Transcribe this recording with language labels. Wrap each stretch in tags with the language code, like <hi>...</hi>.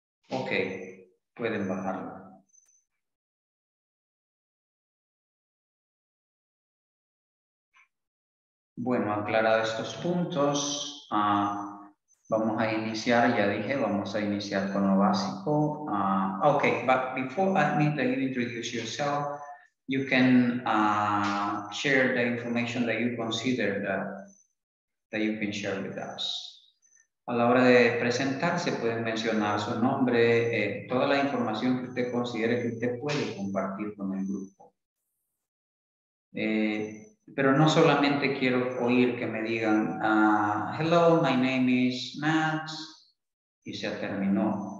<es>Ok, pueden bajarla. Bueno, aclarado estos puntos, vamos a iniciar, ya dije, vamos a iniciar con lo básico.</es> <en>Ok, but before I need that you introduce yourself, you can share the information that you consider that you can share with us.</en> <es>A la hora de presentarse, pueden mencionar su nombre, toda la información que usted considere que usted puede compartir con el grupo. Pero no solamente quiero oír que me digan,</es> <en>hello, my name is Max,</en> <es>y se terminó.</es>